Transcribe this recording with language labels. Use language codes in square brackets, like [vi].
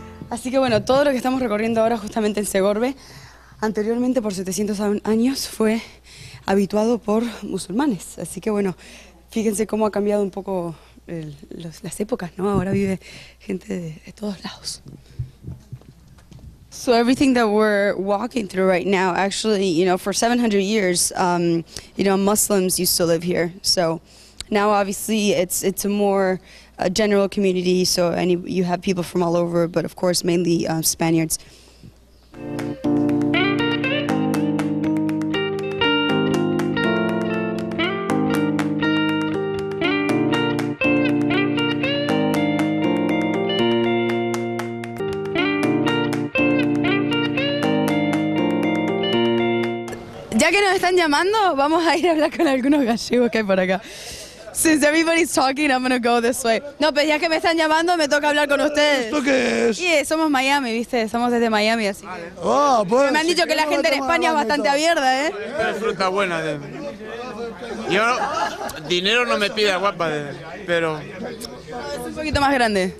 [es] Así que bueno, todo lo que estamos recorriendo ahora justamente en Segorbe, anteriormente por 700 años fue habituado por musulmanes. Así que bueno, fíjense cómo ha cambiado un poco las épocas, ¿no? Ahora vive gente de todos lados. [en] So everything that we're walking through right now, actually, you know, for 700 years, you know, Muslims used to live here. So now obviously it's a more a general community, so any you have people from all over, but of course mainly Spaniards. [es] Ya que nos están llamando, vamos a ir a hablar con algunos gallegos que hay por acá. [en] Since everybody's talking, I'm gonna go this way. [es] No, pero ya que me están llamando, me toca hablar con ustedes. ¿Esto qué es? Sí, yeah, somos Miami, ¿viste? Somos desde Miami, así que... Oh, pues, me han dicho que la gente en España es bastante abierta, ¿eh? Pero fruta buena. Yo dinero no me pida, guapa, pero... Es un poquito más grande.